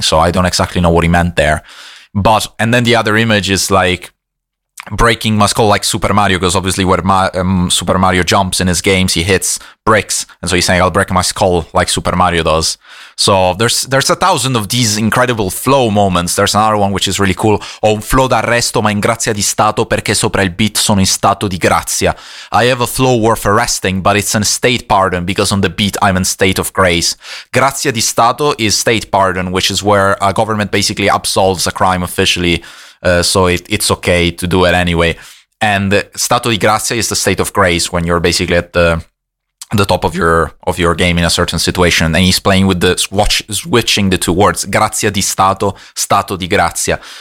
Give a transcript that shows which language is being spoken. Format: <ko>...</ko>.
<en>So I don't exactly know what he meant there. But, and then the other image is like breaking my skull like Super Mario, because obviously where Super Mario jumps in his games, he hits bricks. And so he's saying, I'll break my skull like Super Mario does. So there's a thousand of these incredible flow moments. There's another one which is really cool.</en> <it>Ho un flow d'arresto, ma in grazia di stato, perché sopra il beat sono in stato di grazia.</it> <en>I have a flow worth arresting, but it's in state pardon, because on the beat I'm in state of grace. Grazia di stato is state pardon, which is where a government basically absolves a crime officially, so it's okay to do it anyway. And stato di grazia is the state of grace, when you're basically at the top of your game in a certain situation, and he's playing with the switching the two words, grazia di stato, stato di grazia.</en>